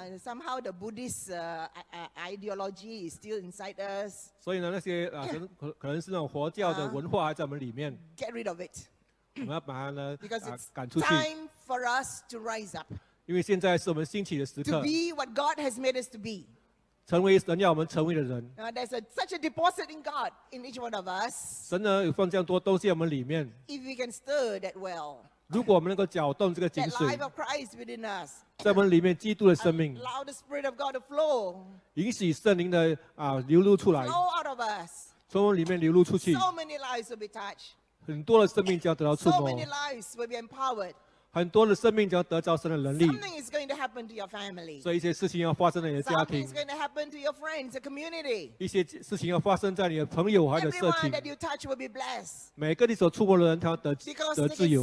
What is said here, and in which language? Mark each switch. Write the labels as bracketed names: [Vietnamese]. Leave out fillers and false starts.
[English] Somehow the Buddhist ideology is still inside us. [Chinese] 所以呢，那些可能是那种佛教的文化还在我们里面。 [English] Get rid of it. [Chinese] 我们要把它呢赶出去。 [English] Because it's time for us to rise up. [Chinese] 因为现在是我们兴起的时刻。 [English] To be what God has made us to be. [Chinese] 成为神要我们成为的人。 [English] There's such a deposit in God in each one of us. [Chinese] 神呢有放这样多东西在我们里面。 [English] If we can stir that well. [Chinese] 如果我们能够搅动这个井水。 [English] That life of Christ within us. [Chinese] 在我们里面基督的生命。 [English] Allow the Spirit of God to flow. [Chinese] 允许圣灵的流露出来。 [English] Flow out of us. [Chinese] 从我们里面流露出去。 [English] So many lives will be touched. [Chinese] 很多的生命将得到触摸。 [English] So many lives will be empowered. [Chinese] 很多的生命将得着神的能力。 [English] Something is going to happen to your family. [Chinese] 所以一些事情要发生在你的家庭。 [English] Something is going to happen to your friends, the community. [Chinese] 一些事情要发生在你的朋友还有社群。 [English] Everyone that you touch will be blessed. [Chinese] 每个你所触摸的人他得自由。